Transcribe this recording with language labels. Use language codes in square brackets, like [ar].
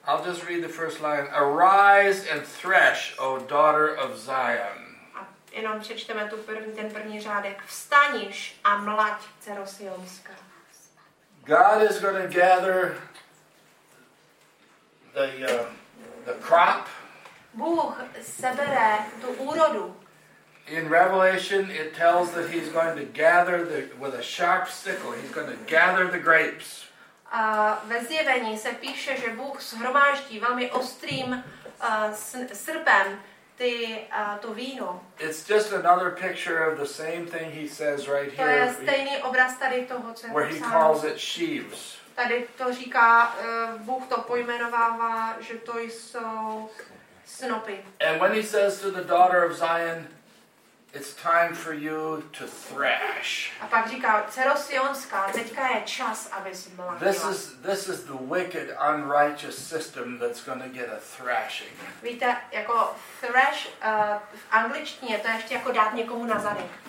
[en] I'll just read the first line. Arise and thresh, O daughter of Zion. [cs] A jenom přečteme tu první, ten první řádek. Vstaníš a mlaď, dcero Sionská. [en] God is going to gather the crop. [cs] Bůh sebere tu úrodu. [en] In Revelation it tells that he's going to gather the with a sharp sickle he's going to gather the grapes. [cs] A ve zjevení se píše, že Bůh shromáždí velmi ostrým srpem ty to víno. [en] It's just another picture of the same thing he says right here. [cs] To je stejný obraz tady toho, co je [en] where he calls it sheaves. [cs] Tady to říká Bůh to pojmenovává, že to jsou snopy. [en] And when he says to the daughter of Zion, it's time for you to thrash. [cs] A pak říká, dcero Sionská, teďka je čas, abys mlátila. [en] This is the wicked, unrighteous system that's going to get a thrashing. [cs] Víte, jako thrash v angličtině, to je ještě jako dát někomu na zadek.